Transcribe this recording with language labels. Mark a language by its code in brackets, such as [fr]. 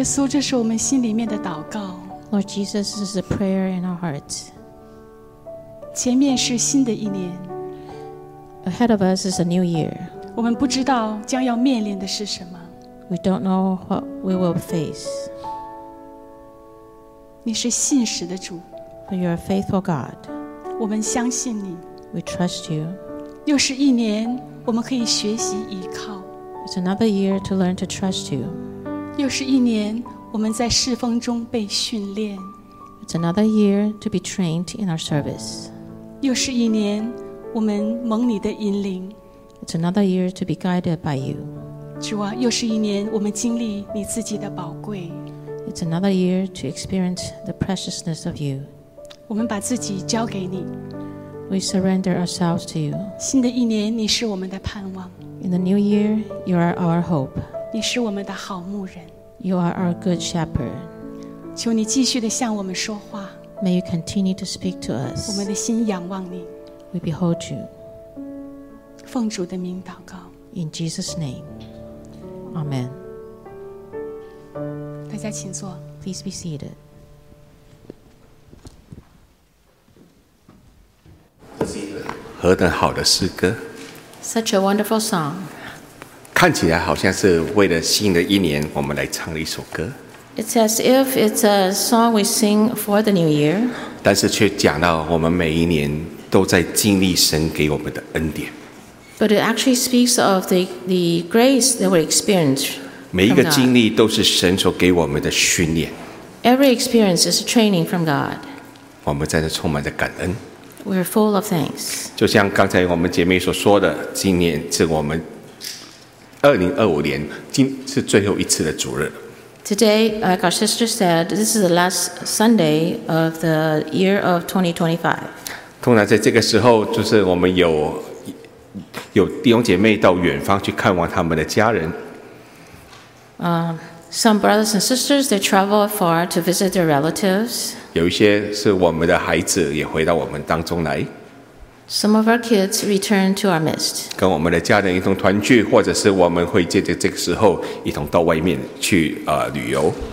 [zh] 这是我们心里面的祷告。 [en] Lord Jesus, this is a prayer in our heart. [zh] 前面是新的一年。 [en] Ahead of us is a new year. [zh] 我们不知道将要面临的是什么。 [en] We don't know what we will face. [zh] 你是信实的主。 [en] But you are a faithful God. [zh] 我们相信你。 [en] We trust you. [zh] 又是一年，我们可以学习依靠。 [en] It's another year to learn to trust you. [zh] 又是一年，我们在侍奉中被训练。 [en] It's another year to be trained in our service. [zh] 又是一年，我们蒙你的引领。 [en] It's another year to be guided by you. [zh] 主啊，又是一年，我们经历你自己的宝贵。 [en] It's another year to experience the preciousness of you. [zh] 我们把自己交给你。 [en] We surrender ourselves to you. [zh] 新的一年，你是我们的盼望。 [en] In the new year, you are our hope. [zh] 你是我们的好牧人。 [en] You are our good shepherd. [zh] 求你继续地向我们说话。 [en] May you continue to speak to us. [zh] 我们的心仰望你。 [en] We behold you. [zh] 奉主的名祷告。 [en] In Jesus' name. Amen. [zh] 大家请坐。 [en] Please be seated. [zh] 何等好的诗歌。 [en] Such a wonderful song. [zh] 看起来好像是为了新的一年，我们来唱一首歌。 [en] It's as if it's a song we sing for the new year. [zh] 但是却讲到我们每一年都在经历神给我们的恩典。 [en] But it actually speaks of the grace that we experience. [zh] 每一个经历都是神所给我们的训练。 [en] Every experience is training from God. [zh] 我们在这充满着感恩。 [en] We're full of thanks. [zh] 就像刚才我们姐妹所说的，今年是我们2025年今是最后一次的主日。 [en] Today, like our sister said, this is the last Sunday of the year of 2025. [zh] 通常在这个时候，就是我们有弟兄姐妹到远方去看望他们的家人。 [en] Some brothers and sisters they travel far to visit their relatives. [zh] 有一些是我们的孩子也回到我们当中来。 [en] Some of our kids return to our midst. [zh] 跟我们的家人一同团聚，或者是我们会借着这个时候一同到外面去旅游。